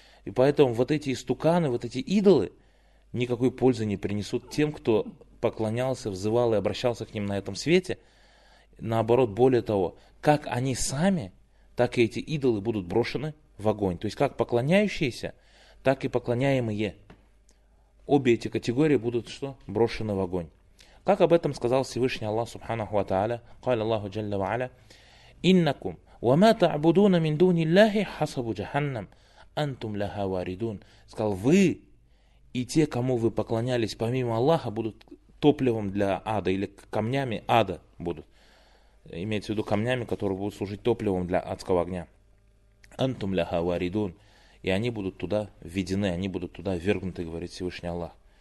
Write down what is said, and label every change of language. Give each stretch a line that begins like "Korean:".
Russian: И поэтому вот эти истуканы, вот эти идолы никакой пользы не принесут тем, кто поклонялся, взывал и обращался к ним на этом свете. Наоборот, более того, как они сами, так и эти идолы будут брошены в огонь. То есть как поклоняющиеся, так и поклоняемые. Обе эти категории будут что? Брошены в огонь. Как об этом сказал Всевышний Аллах, субханаху ва та'аля,
Arabic: قال الله جل وعلا إنكم وما تعبدون من دون الله حسب جهنم أنتم لها واردون.
Russian: Сказал, вы и те, кому вы поклонялись помимо Аллаха, будут топливом для ада или камнями ада будут. Имеется в виду камнями, которые будут служить топливом для адского огня.
Arabic: أنتم لها واردون.
Russian: И они будут туда введены, они будут туда ввергнуты, говорит Всевышний Аллах.